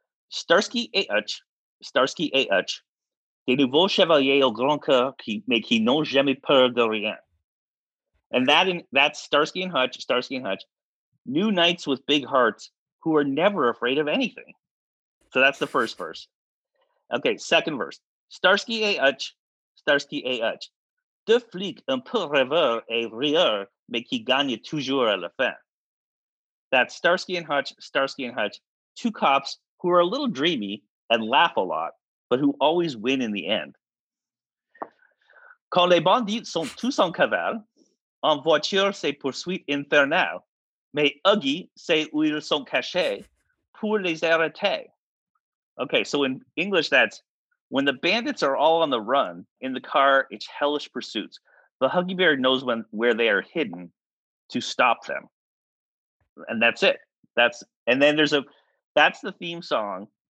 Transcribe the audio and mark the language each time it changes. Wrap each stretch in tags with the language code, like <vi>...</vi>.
<fr>Starsky et Hutch, Starsky et Hutch, des nouveaux chevaliers au grand cœur qui n'ont jamais peur de rien.</fr> <en>And that's Starsky and Hutch, new knights with big hearts who are never afraid of anything. So that's the first verse. Okay, second verse. Starsky et Hutch, Starsky et Hutch.</en> <fr>Deux flics un peu rêveurs et rieurs, mais qui gagnent toujours à la fin.</fr> <en>That's Starsky and Hutch, two cops who are a little dreamy and laugh a lot, but who always win in the end.</en> <fr>Quand les bandits sont tous en cavale, en voiture c'est poursuite infernale, mais Huggy sait où ils sont cachés pour les arrêter.</fr> <en>Okay, so in English, that's when the bandits are all on the run in the car, it's hellish pursuits. The Huggy Bear knows where they are hidden to stop them. And that's it. That's the theme song</en>